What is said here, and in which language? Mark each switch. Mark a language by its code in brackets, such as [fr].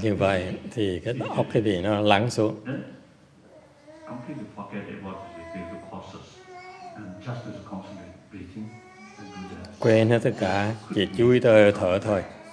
[vi] Như vậy thì cái óc cái gì nó lắng xuống. [en] Then, completely forget about the causes and just as concentrate breathing and do that. [vi] Quên hết tất cả, chỉ chú ý tới thở thôi.